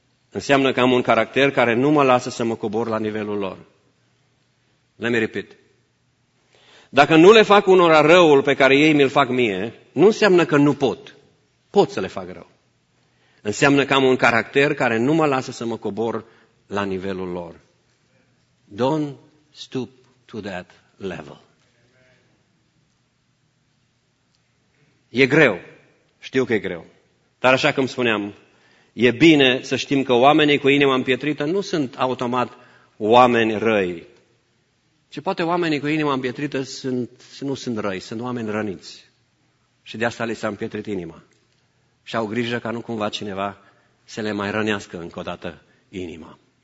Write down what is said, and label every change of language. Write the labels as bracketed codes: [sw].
[ro] Înseamnă că am un caracter care nu mă lasă să mă cobor la nivelul lor. [en] Let me repeat. [ro] Dacă nu le fac unora răul pe care ei mi-l fac mie, nu înseamnă că nu pot. Pot să le fac rău. Înseamnă că am un caracter care nu mă lasă să mă cobor la nivelul lor. [en] Don't stoop to that level. [ro] E greu, știu că e greu, dar așa cum spuneam, e bine să știm că oamenii cu inima împietrită nu sunt automat oameni răi, ci poate oamenii cu inima împietrită nu sunt răi, sunt oameni răniți și de asta li s-a împietrit inima și au grijă ca nu cumva cineva să le mai rănească încă o dată inima.